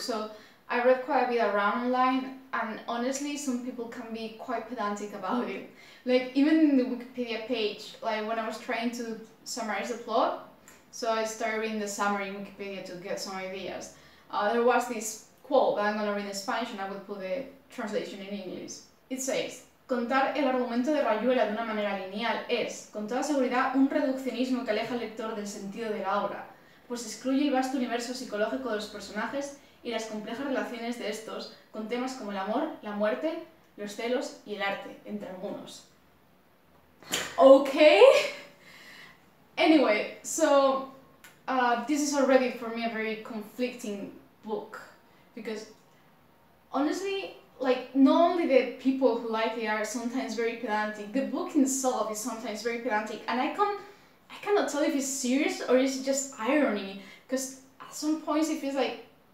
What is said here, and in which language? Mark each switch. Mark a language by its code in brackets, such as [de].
[en] So I read quite a bit around online, and honestly, some people can be quite pedantic about it. Like, even in the Wikipedia page, like when I was trying to summarize the plot, so I started reading the summary in Wikipedia to get some ideas. There was this quote that I'm gonna read in Spanish, and I will put the translation in English. [es] It says, contar el argumento de Rayuela de una manera lineal es, con toda seguridad, un reduccionismo que aleja al lector del sentido de la obra, pues excluye el vasto universo psicológico de los personajes y las complejas relaciones de estos con temas como el amor, la muerte, los celos y el arte, entre algunos. [en] Okay? Anyway, so this is already for me a very conflicting book, because honestly, like, not only the people who like it are sometimes very pedantic, the book itself is sometimes very pedantic, and I cannot tell if it's serious or is it just irony, because at some points it feels like,